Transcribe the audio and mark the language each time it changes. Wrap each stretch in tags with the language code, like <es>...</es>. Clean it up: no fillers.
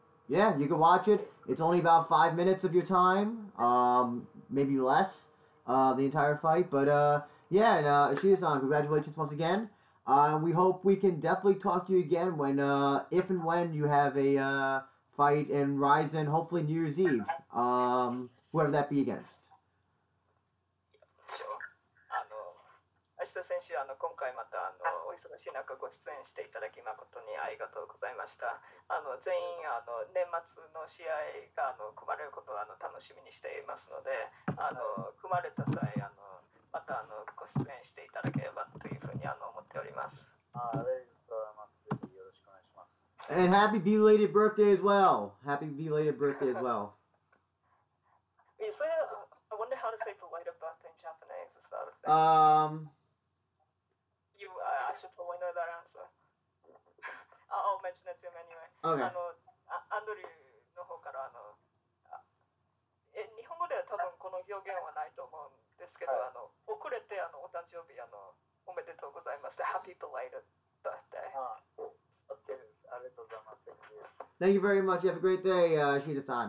<en>Yeah, you can watch it. It's only about 5 minutes of your time, maybe less, the entire fight. But yeah, and Ishida-san, congratulations once again. We hope we can definitely talk to you again when, if and when you have a fight in Ryzen, hopefully New Year's Eve, whoever that be against.</en> <ja>Ishida 選手、今回またお忙しい中ご出演していただき誠にありがとうございました。全員年末の試合が組まれることを楽しみにしていますので、組まれた際またご出演していただければというふうに思っております。ありがとうございます。よろしくお願いします。</ja> <en>And happy belated birthday as well. Happy belated birthday as well. Is there, I wonder how to say belated birthday in Japanese. Is that a thing? I should probably know that answer. I'll mention it to him anyway. Okay.</en> <ja>Andrew の方から日本語では多分この表現はないと思うんですけど、遅れてお誕生日おめでとうございます。</ja> <en>Happy belated birthday. Okay.</en> <ja>ありがとうございます。</ja> <en>Thank you very much. You have a great day, Ishida-san.</en>